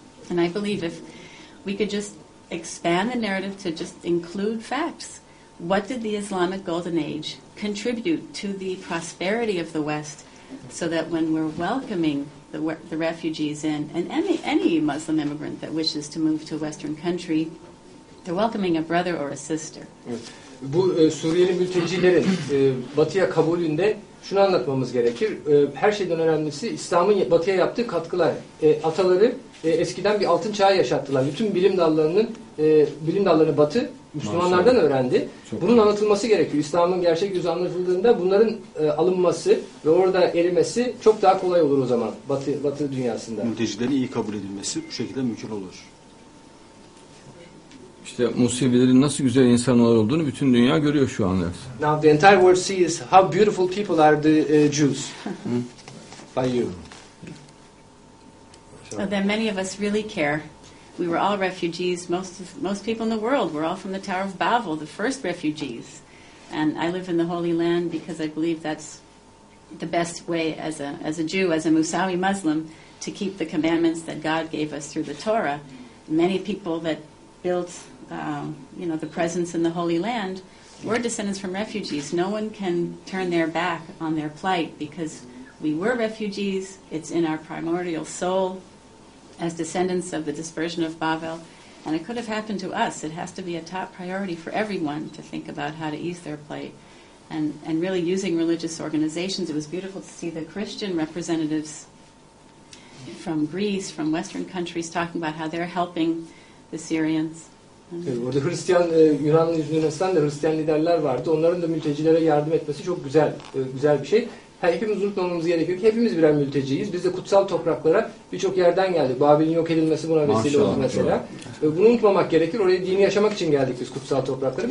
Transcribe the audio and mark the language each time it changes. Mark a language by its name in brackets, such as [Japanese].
[English] And I believe if we could just expand the narrative to just include facts. What did the Islamic Golden Age contribute to the prosperity of the West so that when we're welcoming the refugees in, and any Muslim immigrant that wishes to move to a Western country, they're welcoming a brother or a sister. [Turkish] Bu Suriyeli mültecilerin Batı'ya kabulünde şunu anlatmamız gerekir. Her şeyden önemlisi İslam'ın Batı'ya yaptığı katkılar. Ataları eskiden bir altın çağı yaşattılar. Bütün bilim dallarını Batı Müslümanlardan öğrendi. Bunun anlatılması gerekiyor. İslam'ın gerçek yüzü anlatıldığında bunların alınması ve orada erimesi çok daha kolay olur o zaman Batı dünyasında. Mültecilerin iyi kabul edilmesi bu şekilde mümkün olur. İşte Musevilerin nasıl güzel insanlar olduğunu bütün dünya görüyor şu anda. [English] Now the entire world sees how beautiful people are the Jews. By you. So then many of us really care. We were all refugees. Most people in the world were all from the Tower of Babel, the first refugees. And I live in the Holy Land because I believe that's the best way as a Jew, as a Musawi Muslim, to keep the commandments that God gave us through the Torah. Many people that built the presence in the Holy Land, we're descendants from refugees. No one can turn their back on their plight because we were refugees. It's in our primordial soul as descendants of the dispersion of Babel. And it could have happened to us. It has to be a top priority for everyone to think about how to ease their plight. And really using religious organizations, it was beautiful to see the Christian representatives from Greece, from Western countries, talking about how they're helping the Syrians. [Turkish] Orada Hristiyan, Yunan Yunanistan da Hristiyan liderler vardı. Onların da mültecilere yardım etmesi çok güzel, güzel bir şey. Hepimiz unutmamamız gerekiyor ki hepimiz birer mülteciyiz. Biz de kutsal topraklara birçok yerden geldik. Babil'in yok edilmesi buna vesile oldu mesela. Bunu unutmamak gerekir. Oraya dini yaşamak için geldik biz kutsal topraklara.